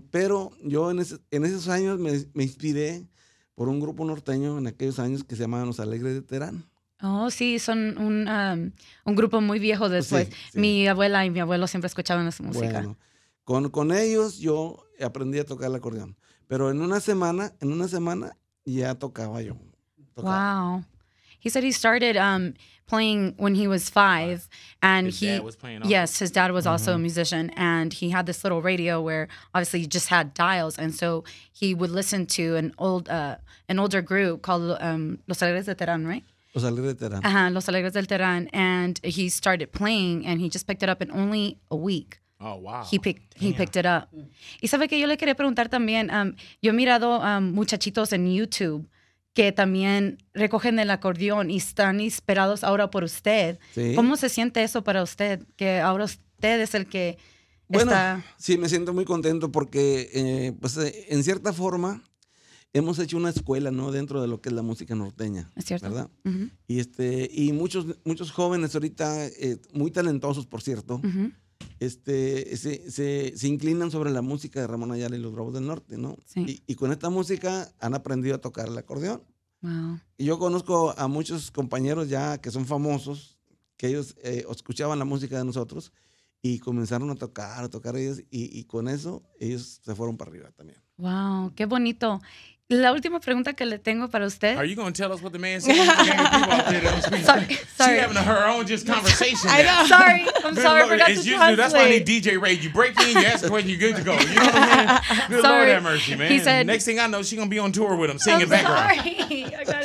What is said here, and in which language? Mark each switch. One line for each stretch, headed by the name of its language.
Spanish: Pero yo en esos años me inspiré por un grupo norteño en aquellos años que se llamaban Los Alegres de Terán. Oh, sí, son un grupo muy viejo después. Sí, sí. Mi abuela y mi abuelo siempre escuchaban esa música. Bueno, Con ellos yo aprendí a tocar el acordeón. Pero en una semana ya tocaba yo.
English: Wow. He said he started playing when he was five. And his dad was playing also. Yes, his dad was also a musician. And he had this little radio where obviously he just had dials. And so he would listen to an older group called Los Alegres de Terán, right? Los Alegres del Terán. Uh-huh, Los Alegres del Terán. And he started playing, and he just picked it up in only a week. Oh, wow. He picked it up.
Spanish: Y sabe que yo le quería preguntar también, yo he mirado muchachitos en YouTube que también recogen el acordeón y están inspirados ahora por usted. Sí. ¿Cómo se siente eso para usted? Que ahora usted es el que bueno, está... Bueno, sí, me siento muy contento porque, en cierta forma... Hemos hecho una escuela, ¿no? Dentro de lo que es la música norteña. Es cierto. ¿Verdad? Uh-huh. Y muchos jóvenes ahorita, muy talentosos, por cierto, uh-huh. se inclinan sobre la música de Ramón Ayala y los Bravos del Norte, ¿no? Sí. Y con esta música han aprendido a tocar el acordeón. Wow. Y yo conozco a muchos compañeros ya que son famosos, que ellos escuchaban la música de nosotros y comenzaron a tocar ellos, y con eso ellos se fueron para arriba también. Wow, qué bonito. La última pregunta que le tengo para usted.
English: Are you going to tell us what the man said? Sorry. She's having her own just conversation. I know. Sorry. I'm sorry. Lord, I forgot to translate. That's why I need DJ Ray. You break in, you ask the question, you're good to go. You know what I mean? Good sorry. Lord have mercy, man. He said, next thing I know, she's going to be on tour with him, singing I'm background. Sorry.